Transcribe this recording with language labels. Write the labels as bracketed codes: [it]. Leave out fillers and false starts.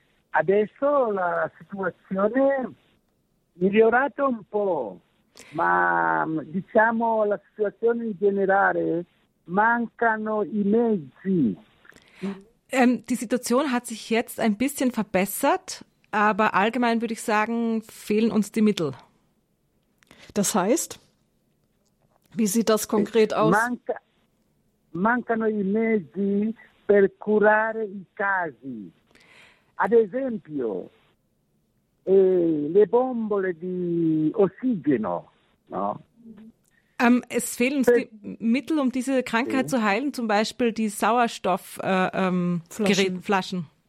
[it] Adesso la situazione è migliorata un po', ma diciamo la situazione in generale mancano i mezzi. [de] Die Situation hat sich jetzt ein bisschen verbessert, aber allgemein würde ich sagen, fehlen uns die Mittel. Das heißt, wie sieht das konkret aus? [it] Mancano i mezzi per curare i casi. Ad esempio, le bombole di ossigeno, no? [de] Es fehlen uns die Mittel, um diese Krankheit zu heilen, zum Beispiel die Sauerstoffflaschen.